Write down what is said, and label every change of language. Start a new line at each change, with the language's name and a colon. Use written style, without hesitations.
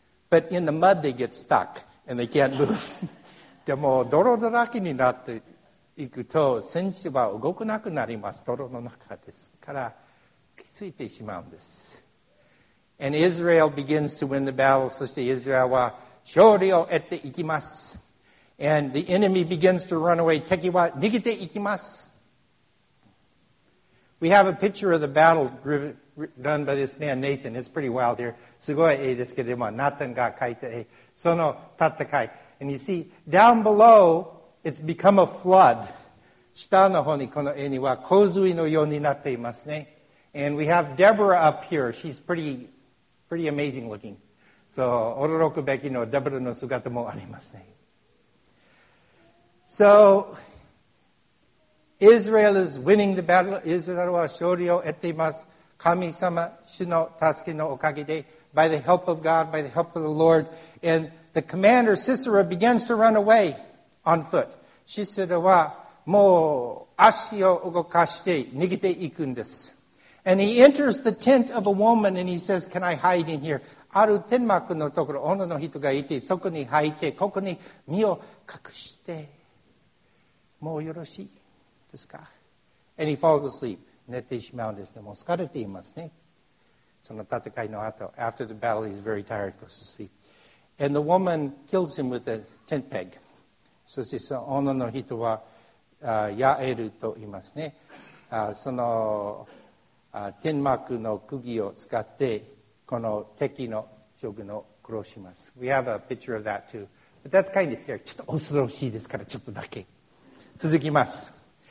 English: But in the mud, they get stuck and they can't move.
Japanese: でも泥だらけになっていくと戦車は動くなくなります。泥の中ですから、きついてしまうんです。
English: And Israel begins to win the battle.
Japanese: そしてイスラエルは勝利を得ていきます。
English: And the enemy begins to run away.
Japanese: 敵は逃げていきます。
English: We have a picture of the battle driven. Done by this man, Nathan. It's pretty wild here.
Japanese: すごい絵ですけども、Nathan が描いた絵。その戦い。
English: And you see, down below, it's become a flood.
Japanese: 下の方にこの絵には洪水のようになっていますね。
English: And we have Deborah up here. She's pretty amazing looking. So,
Japanese: 驚くべきの Deborah の姿もありますね。
English: So, Israel is winning the battle.
Japanese: Israel は勝利を得ています。神様、主の助けのおかげで、
English: by the help of God, by the help of the Lord, and the commander, Sisera, begins to run away on foot.
Japanese: Sisera はもう足を動かして逃げていくんです。
English: And he enters the tent of a woman and he says, can I hide in here?
Japanese: ある天幕のところ、女の人がいて、そこに入って、ここに身を隠して、もうよろしいですか?
English: And he falls asleep.
Japanese: 寝てしまうんですね。もう疲れていますね。その戦いの後、
English: after the battle, he's very tired, goes to sleep. And the woman kills him with a tent peg.
Japanese: そしてその女の人は、ヤエルと言いますね。その、天幕の釘を使って、この敵の将軍を殺します。
English: We have a picture of that too. But that's kind of scary.
Japanese: ちょっと恐ろしいですから、ちょっとだけ。続きます。